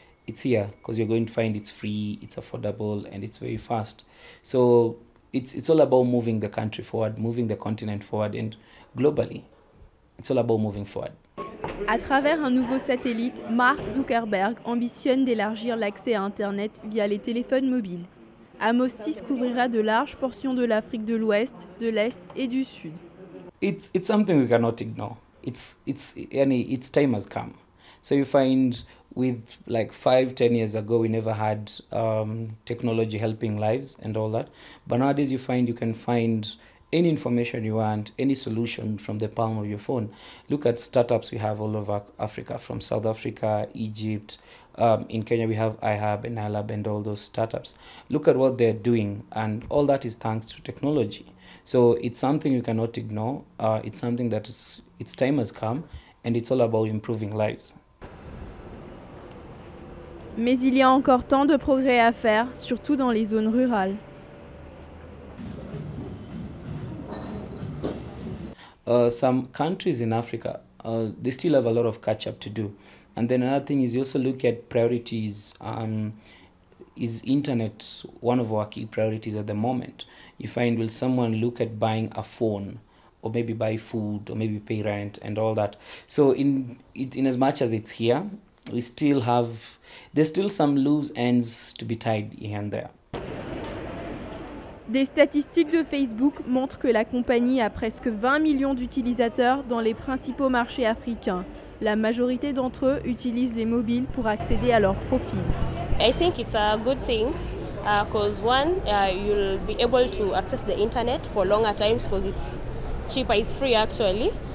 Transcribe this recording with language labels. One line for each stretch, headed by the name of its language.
English: It's here because you're going to find it's free, it's affordable, and it's very fast. So it's all about moving the country forward, moving the continent forward, and globally, it's all about moving forward.
French: À travers un nouveau satellite, Mark Zuckerberg ambitionne d'élargir l'accès à Internet via les téléphones mobiles. Amos 6 couvrira de larges portions de l'Afrique de l'Ouest, de l'Est et du Sud.
English: It's something we cannot ignore. It's time has come. So you find with like 5-10 years ago, we never had technology helping lives and all that. But nowadays you find you can find any information you want, any solution from the palm of your phone. Look at startups we have all over Africa, from South Africa, Egypt. In Kenya, we have iHub and iLab and all those startups. Look at what they're doing. And all that is thanks to technology. So it's something you cannot ignore. It's something that is, its time has come, and it's all about improving lives.
French: Mais il y a encore tant de progrès à faire, surtout dans les zones rurales.
English: Some countries in Africa, they still have a lot of catch-up to do. And then another thing is you also look at priorities. Is internet one of our key priorities at the moment? You find, will someone look at buying a phone, or maybe buy food, or maybe pay rent and all that? So in as much as it's here, we still have, there's still some loose ends to be tied here and there.
French: Des statistiques de Facebook montrent que la compagnie a presque 20 millions d'utilisateurs dans les principaux marchés africains. La majorité d'entre eux utilisent les mobiles pour accéder à leurs profils.
English: I think it's a good thing because one, you'll be able to access the internet for longer times because it's cheaper, it's free actually.